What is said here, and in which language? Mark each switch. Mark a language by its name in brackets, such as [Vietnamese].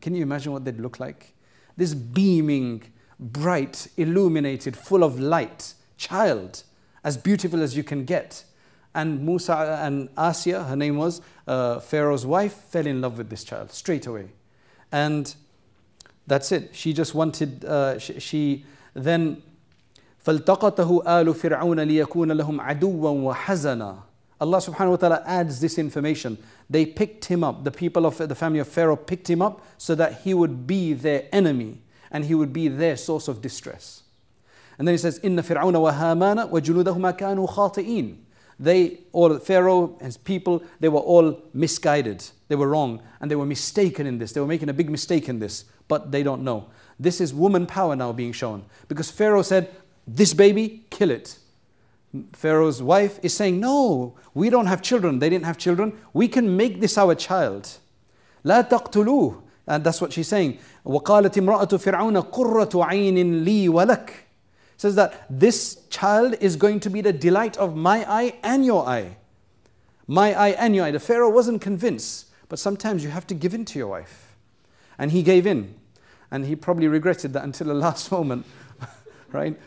[English] Can you imagine what they'd look like? This beaming, bright, illuminated, full of light child, as beautiful as you can get. And Musa and Asiya, her name was, Pharaoh's wife, fell in love with this child straight away. And that's it. She just wanted, she then, [Arabic] فَالْتَقَطَهُ آلُ فِرْعَوْنَ لِيَكُونَ لَهُمْ عَدُوًا وَحَزَنًا. [English] Allah subhanahu wa ta'ala adds this information. They picked him up. The people of the family of Pharaoh picked him up so that he would be their enemy and he would be their source of distress. And then he says, [Arabic] إِنَّ فِرْعَوْنَ وَهَامَانَ وَجُنُودَهُمَا كَانُوا خَاطِئِينَ. [English] They, all Pharaoh, his people, they were all misguided. They were wrong and they were mistaken in this. They were making a big mistake in this, but they don't know. This is woman power now being shown. Because Pharaoh said, this baby, kill it. Pharaoh's wife is saying, no, we don't have children. They didn't have children. We can make this our child. [Arabic] لا تقتلوا. [English] And that's what she's saying. [Arabic] وقالت امرأة فرعون قرة عين لي ولك. [English] Says that this child is going to be the delight of my eye and your eye. My eye and your eye. The Pharaoh wasn't convinced. But sometimes you have to give in to your wife. And he gave in. And he probably regretted that until the last moment. Right?